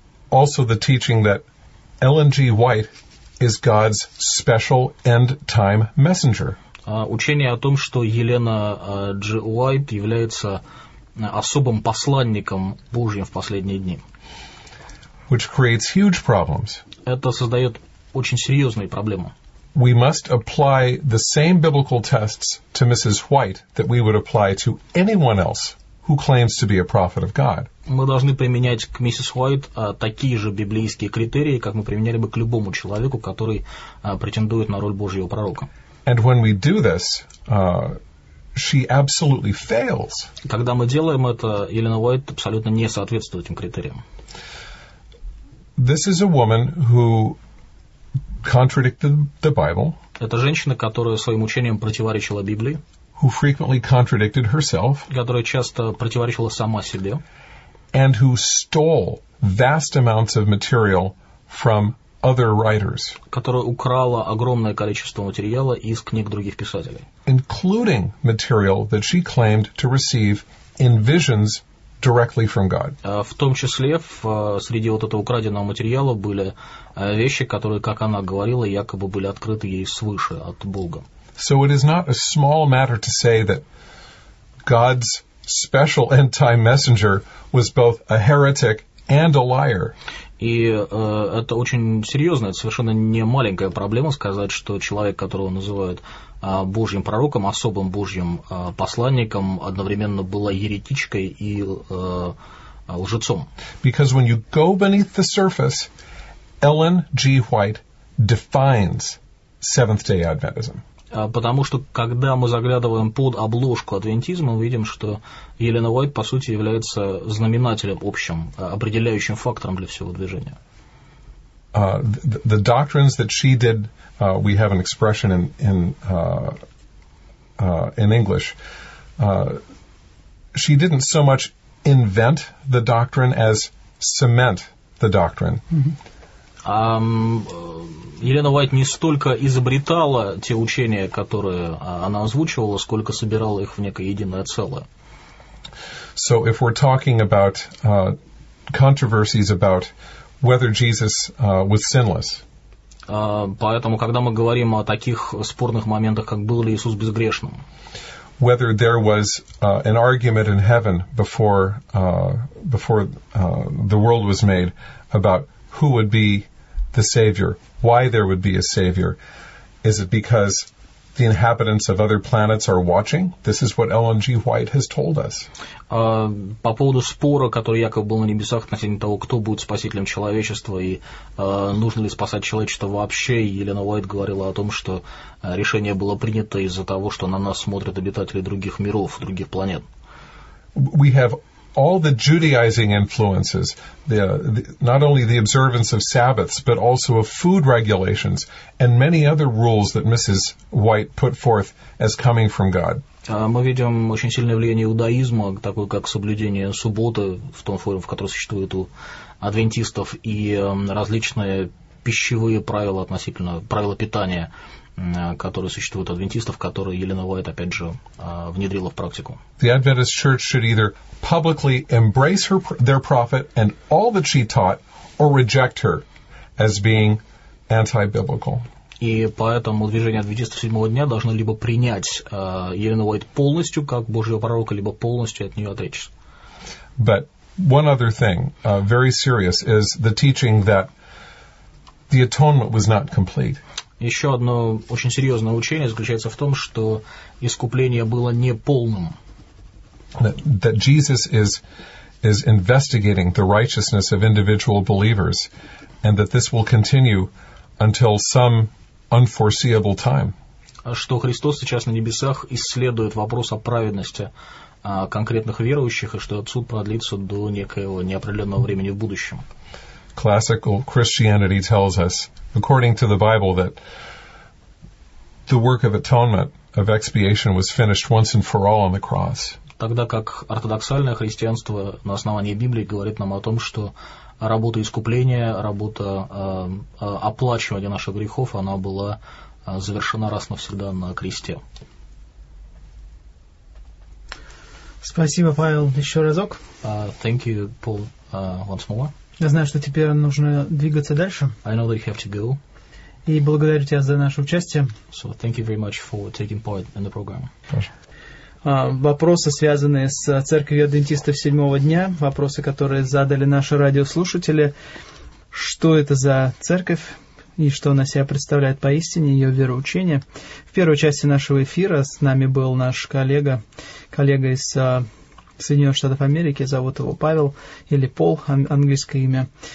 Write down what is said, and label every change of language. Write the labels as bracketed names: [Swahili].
[English] Also, the teaching that Ellen G. White is God's special end-time messenger. [Russian] Учение о том, что Елена Дж. Уайт является особым посланником Божьим в последние дни. [English] Which creates huge problems. [Russian] Это создает очень серьезные проблемы. [English] We must apply the same biblical tests to Mrs. White that we would apply to anyone else who claims to be a prophet of God. [Russian] Мы должны применять к миссис Уайт такие же библейские критерии, как мы применяли бы к любому человеку, который претендует на роль Божьего пророка. [English] And when we do this, she absolutely fails. [Russian] Когда мы делаем это, Елена Уайт абсолютно не соответствует этим критериям. [English] This is a woman who contradicted the Bible. [Russian] Это женщина, которая своим учением противоречила Библии. [English] Who frequently contradicted herself, [Russian] которая часто противоречила сама себе, [English] and who stole vast amounts of material from other writers, [Russian] которая украла огромное количество материала из книг других писателей, [English] including material that she claimed to receive in visions directly from God. [Russian] В том числе среди вот этого украденного материала были вещи, которые, как она говорила, якобы были открыты ей свыше от Бога. [English] So it is not a small matter to say that God's special end-time messenger was both a heretic and a liar. [Russian] И это очень серьезно, это совершенно не маленькая проблема сказать, что человек, которого называют Божьим пророком, особым Божьим посланником, одновременно была еретичкой и лжецом. [English] Because when you go beneath the surface, Ellen G. White defines Seventh-day Adventism. [Russian] Потому что, когда мы заглядываем под обложку адвентизма, мы видим, что Елена Уайт, по сути, является знаменателем общим, определяющим фактором для всего движения. [English] The doctrines that she did, we have an expression in English. She didn't so much invent the doctrine as cement the doctrine. Mm-hmm. [Russian] Елена Уайт не столько изобретала те учения, которые она озвучивала, сколько собирала их в некое единое целое. [English] So if we're talking about controversies about whether Jesus was sinless. [Russian] Поэтому, когда мы говорим о таких спорных моментах, как был ли Иисус безгрешным. [English] Whether there was an argument in heaven before the world was made about who would be the Savior. Why there would be a savior? Is it because the inhabitants of other planets are watching? This is what Ellen G. White has told us. [Russian] По поводу спора, который якобы был на небесах относительно того, кто будет спасителем человечества и нужно ли спасать человечество вообще, Елена Уайт говорила о том, что решение было принято из-за того, что на нас смотрят обитатели других миров, других планет. [English] We have all the Judaizing influences, not only the observance of Sabbaths, but also of food regulations and many other rules that Mrs. White put forth as coming from God. [Russian] Мы видим очень сильное влияние иудаизма, такое как соблюдение субботы в том форме, в котором существует у адвентистов, и различные пищевые правила относительно правила питания, которые существуют у адвентистов, которые Елена Уайт, опять же, внедрила в практику. [English] The Adventist Church should either publicly embrace her, their prophet and all that she taught, or reject her as being anti-biblical. [Russian] И поэтому движение адвентистов седьмого дня должно либо принять Елену Уайт полностью как Божьего пророка, либо полностью от нее отречься. [English] But one other thing, very serious, is the teaching that the atonement was not complete. [Russian] Еще одно очень серьезное учение заключается в том, что искупление было не полным. [English] That Jesus is investigating the righteousness of individual believers, and that this will continue until some unforeseeable time. [Russian] Что Христос сейчас на небесах исследует вопрос о праведности конкретных верующих, и что этот суд продлится до некоего неопределенного времени в будущем. [English] Classical Christianity tells us, according to the Bible, that the work of atonement, of expiation, was finished once and for all on the cross. [Russian] Тогда как ортодоксальное христианство на основании Библии говорит нам о том, что работа искупления, работа оплачивания наших грехов, она была завершена раз навсегда на кресте. Спасибо, Павел, еще разок. [English] Thank you, Paul, once more. [Russian] Я знаю, что теперь нужно двигаться дальше. [English] I know that you have to go. [Russian] И благодарю тебя за наше участие. [English] So thank you very much for taking part in the program. [Russian] Вопросы, связанные с Церковью Адвентистов Седьмого дня, вопросы, которые задали наши радиослушатели. Что это за церковь? И что она себя представляет поистине, ее вероучение. В первой части нашего эфира с нами был наш коллега из Соединенных Штатов Америки, зовут его Павел, или Пол, английское имя.